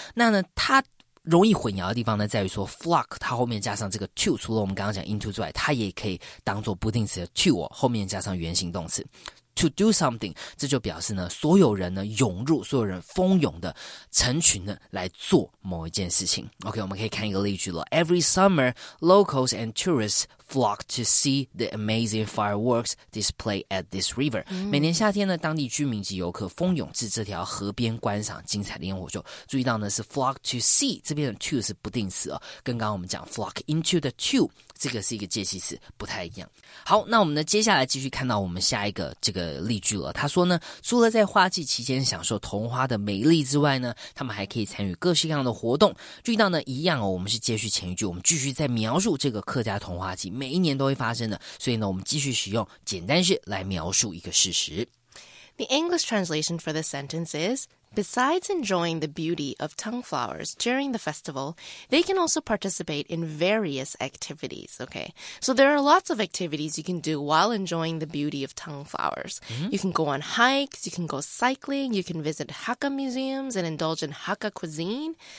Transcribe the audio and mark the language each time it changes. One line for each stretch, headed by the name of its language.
Chinese: 那呢它容易混淆的地方呢在于说 flock 它后面加上这个 to, 除了我们刚刚讲 into 之外，它也可以当做不定词的 to, 后面加上原形动词 to do something, 这就表示呢所有人呢涌入，所有人蜂拥的成群的来做某一件事情。 OK, 我们可以看一个例句了。
English: Every summer, locals and tourists flock to see the amazing fireworks display at this river.、Mm.
Chinese: 每年夏天呢当地居民及游客蜂拥至这条河边观赏精彩的烟火秀。注意到呢是 flock to see, 这边的 to 是不定词、哦、跟刚刚我们讲 flock into the to, 这个是一个介系词不太一样。好，那我们呢接下来继续看到我们下一个这个例句了。他说呢除了在花季期间享受桐花的美丽之外呢，他们还可以参与各式各样的活动。注意到呢一样、哦、我们是接续前一句，我们继续在描述这个客家桐花季每一年都会发生的，所以呢，我们继续使用简单式来描述一个事实。
English: The English translation for this sentence is Besides enjoying the beauty of tung flowers during the festival, they can also participate in various activities. Okay, so there are lots of activities you can do while enjoying the beauty of tung flowers. Mm-hmm. You can go on hikes, you can go cycling, you can visit Hakka museums and indulge in Hakka cuisine.